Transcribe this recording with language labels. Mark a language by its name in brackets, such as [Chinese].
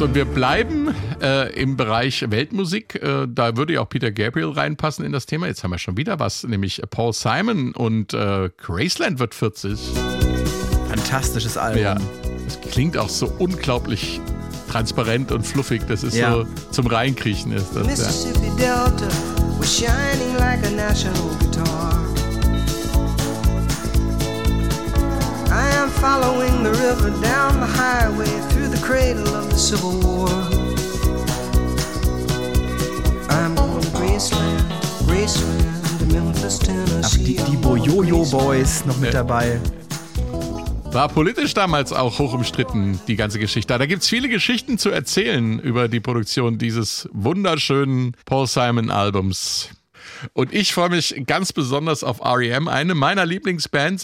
[German] Und wir bleiben im Bereich Weltmusik. Da würde ja auch Peter Gabriel reinpassen in das Thema. Jetzt haben wir schon wieder was, nämlich Paul Simon und Graceland wird 40. Fantastisches Album. Ja, es klingt auch so unglaublich transparent und fluffig. Das ist ja so zum Reinkriechen. Ist das, ja. [English] Mississippi Delta was shining like a national guitar. I am following the river down the highway through the cradle of the Civil War. I'm going to Graceland, Graceland to Memphis, Tennessee. [German] Ach, die Bo-Jojo-Boys noch mit dabei. War politisch damals auch hoch umstritten, die ganze Geschichte. Da gibt es viele Geschichten zu erzählen über die Produktion dieses wunderschönen Paul Simon Albums. Und ich freue mich ganz besonders auf R.E.M., eine meiner Lieblingsbands.